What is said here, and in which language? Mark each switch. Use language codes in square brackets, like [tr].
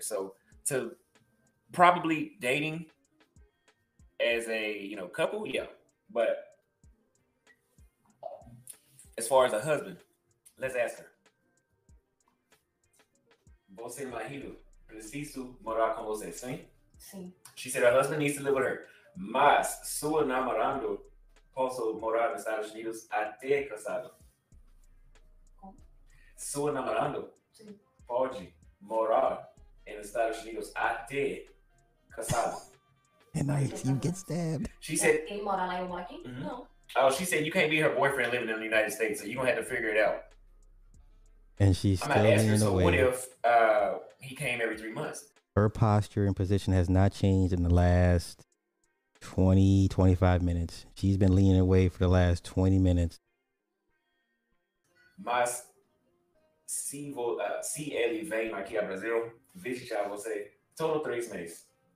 [en] So to probably dating as a, you know, couple, yeah. But as far as a husband, let's ask her. [pt] Você marido preciso morar com você, sim? Sim. [en] She said her husband needs to live with her. [pt] Mas sua namorando posso morar nos Estados Unidos até casado. Sua namorando sim. Pode morar nos Estados Unidos até casado. [en] knife. You get stabbed. She said, "Game on, I ain't walking." Mm-hmm. No. Oh, she said you can't be her boyfriend living in the United States, so you gonna have to figure it out. And she's still in the way. So what if he came every 3 months? Her posture and position has not changed in the last 20, 25 minutes. She's been leaning away for the last 20 minutes. [pt] Mas se ele vem aqui a Brasil, visitar você, todo 3 meses.